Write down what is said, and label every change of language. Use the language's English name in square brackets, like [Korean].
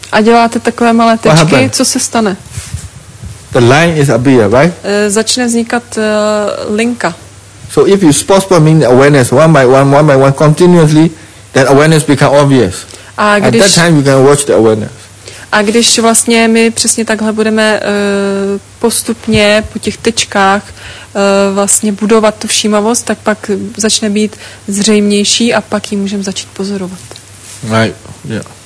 [Czech] A děláte takové malé tečky, co se stane? [English] The line is appear, right? [Czech] Začne vznikat linka. [English] So if you spot mean awareness one by one continuously, then awareness become obvious. [Czech] A když, [English] at that time you can watch the awareness. [Czech] A když vlastně my přesně takhle budeme postupně po těch tečkách vlastně budovat tu všímavost, tak pak začne být zřejmější a pak ji můžeme začít pozorovat. [English] Right, yeah.